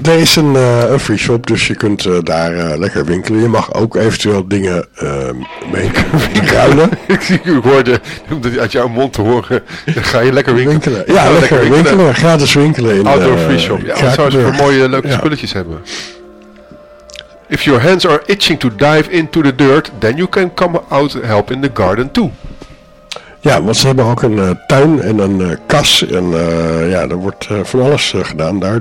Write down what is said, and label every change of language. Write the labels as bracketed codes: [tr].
[nl] Er is een free shop, dus je kunt daar lekker winkelen. Je mag ook eventueel dingen mee ruilen. Ik zie uw woorden, om dat uit jouw mond te horen. Dan ga je lekker winkelen. Ja, lekker winkelen. Gratis winkelen. In [en] outdoor free shop. [nl] Ja, dat zou ze voor mooie leuke spulletjes hebben. [en] If your hands are itching to dive into the dirt, then you can come out help in the garden too. [nl] Ja, want ze hebben ook een tuin en een kas. En er wordt van alles gedaan daar.